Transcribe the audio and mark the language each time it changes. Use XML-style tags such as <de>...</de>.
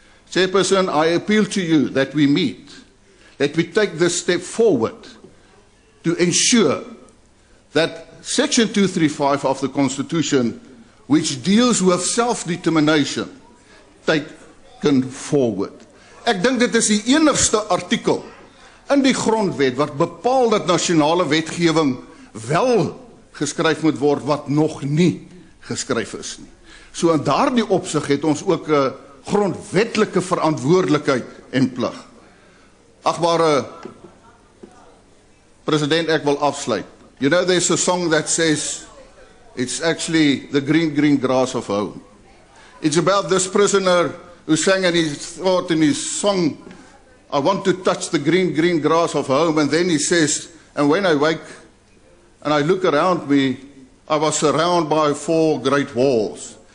<en>Chairperson, I appeal to you that we meet, that we take this step forward to ensure that Section 235 of the Constitution, which deals with self-determination, taken forward.</en> <af>Ek dink dit is die enigste artikel in die grondwet wat bepaal dat nasionale wetgewing wel geskryf moet word wat nog nie geskryf is nie. So in daardie opsig het ons ook 'n grondwetlike verantwoordelikheid en plig. Agbare president, ek wil afsluit.</af> <en>You know there's a song that says it's actually the green green grass of home. It's about this prisoner who sang and he thought in his song, I want to touch the green, green grass of home. And then he says, and when I wake and I look around me, I was surrounded by four great walls.</en>